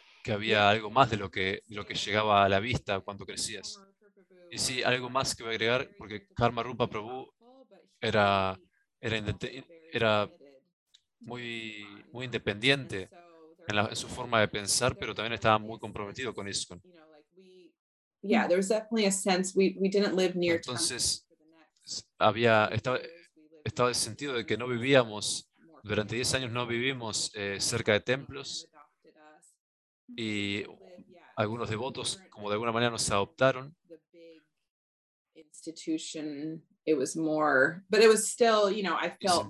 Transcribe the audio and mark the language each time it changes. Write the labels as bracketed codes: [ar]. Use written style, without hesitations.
[es] que había algo más de lo que llegaba a la vista cuando crecías. Y sí, algo más que voy a agregar, porque Karma Rupa Prabhu era, era muy, muy independiente en, la, en su forma de pensar, pero también estaba muy comprometido con ISKCON. [en] Yeah, there was definitely a sense we didn't live near. [es] Entonces había estaba el sentido de que no vivíamos durante 10 años no vivimos cerca de templos y algunos devotos como de alguna manera nos adoptaron. [en] Institution, it was more, but it was still, you know, I felt